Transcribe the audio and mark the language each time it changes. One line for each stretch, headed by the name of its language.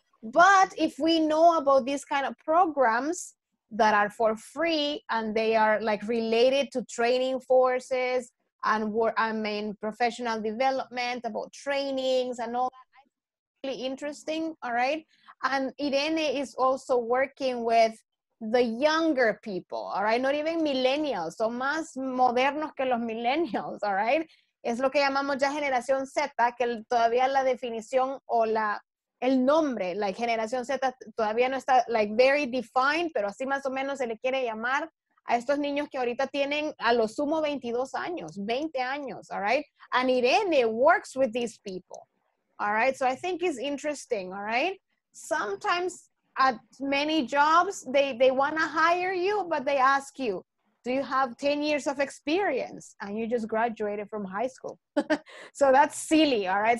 English: But if we know about these kind of programs that are for free and they are like related to training courses and professional development, about trainings and all that, it's really interesting, all right? And Irene is also working with the younger people, all right? Not even millennials, so
Spanish: más modernos que los millennials,
English: all right?
Spanish: Es lo que llamamos ya generación Z, que todavía la definición o el nombre, like generación Z, todavía no está
English: like very defined,
Spanish: pero así más o menos se le quiere llamar a estos niños que ahorita tienen a lo sumo 22 años, 20 años, all right?
English: And Irene works with these people, all right? So I think it's interesting, all right? Sometimes at many jobs, they want to hire you, but they ask you, do you have 10 years of experience? And you just graduated from high school. So that's silly, all right?